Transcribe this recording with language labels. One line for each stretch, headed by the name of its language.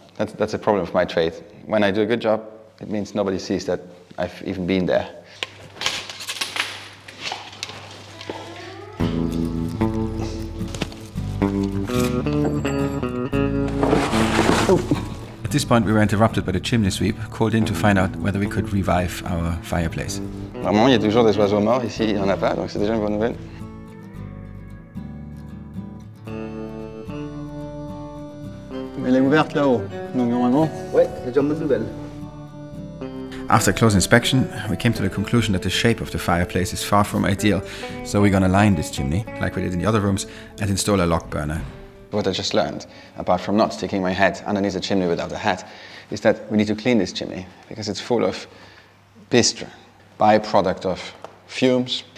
English: That's a problem of my trade. When I do a good job, it means nobody sees that I've even been there. At this point, we were interrupted by the chimney sweep, called in to find out whether we could revive our fireplace.
French: Normalement, il y a toujours des oiseaux morts ici. Il y en a pas, donc c'est déjà une bonne nouvelle. Mais elle est ouverte là-haut, donc normalement. Ouais, c'est déjà une bonne nouvelle.
English: After close inspection, we came to the conclusion that the shape of the fireplace is far from ideal, so we're going to line this chimney, like we did in the other rooms, and install a log burner. What I just learned, apart from not sticking my head underneath a chimney without a hat, is that we need to clean this chimney, because it's full of bistre, byproduct of fumes.